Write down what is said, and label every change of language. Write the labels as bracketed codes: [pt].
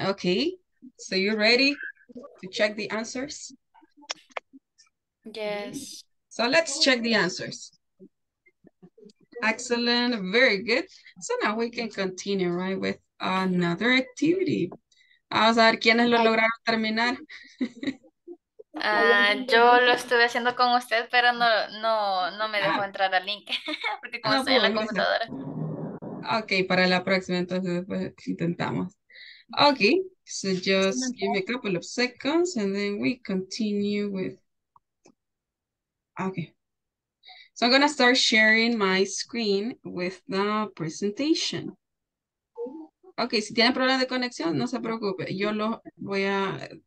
[en] Okay, so you're ready to check the answers? Yes. So let's check the answers. Excellent, very good. So now we can continue, right, with another activity. [es] Vamos a ver quiénes lo lograron terminar. Yo lo estuve haciendo con usted, pero no me dejó entrar al link, porque como estoy en la computadora. Ok, para la próxima, entonces después intentamos. [en] Ok, so just give me a couple of seconds, and then we continue with... Ok. So I'm going to start sharing my screen with the presentation. [es] Ok, si tiene problemas de conexión, no se preocupe, yo lo voy a...